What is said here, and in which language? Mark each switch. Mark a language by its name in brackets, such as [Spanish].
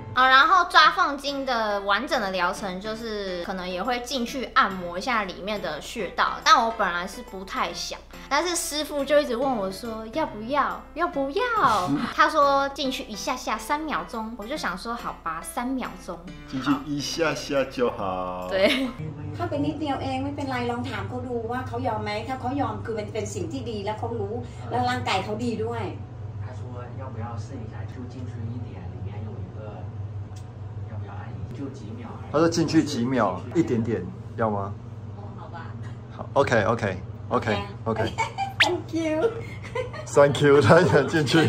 [Chinese] อ่ะ然后抓缝筋的完整的疗程就是可能也会进去按摩一下里面的穴道，但我本来是不太想。但是师傅就一直问我说要不要，要不要？他说进去一下下三秒钟，我就想说好吧，三秒钟进去一下下就好。对， [Thai] 他เป็นนิดเดียวเองไม่เป็นไรลองถามเขาดูว่าเขายอมไหมถ้าเขายอมคือเป็นสิ่งที่ดีและเขารู้แล้วร่างกายเขาดีด้วย [Chinese] 他说要不要试一下就进去一点里面用一个要不要按一就几秒。他说进去几秒，一点点，要吗？哦，好吧。好 ，OK。 [English] Thank you。 Thank you， [Chinese] 他想进去。